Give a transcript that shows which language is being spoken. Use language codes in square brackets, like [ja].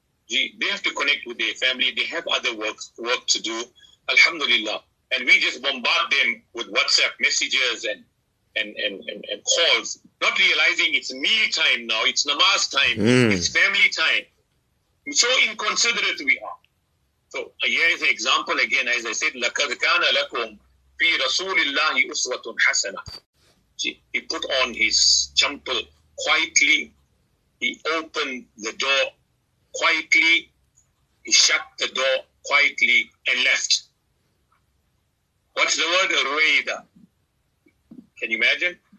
[en] They have to connect with their family. They have other work to do. Alhamdulillah. And we just bombard them with WhatsApp messages and calls, not realizing it's meal time now. It's namaz time. Mm. It's family time. So inconsiderate we are. So here is an example again. As I said, [ar] لَقَدْ كَانَ لَكُمْ فِي رَسُولِ اللَّهِ أُسْوَةٌ حَسَنَةٌ. [en] He put on his chumple quietly. He opened the door quietly. He shut the door quietly and left. What's the word? Ruwayda. Can you imagine?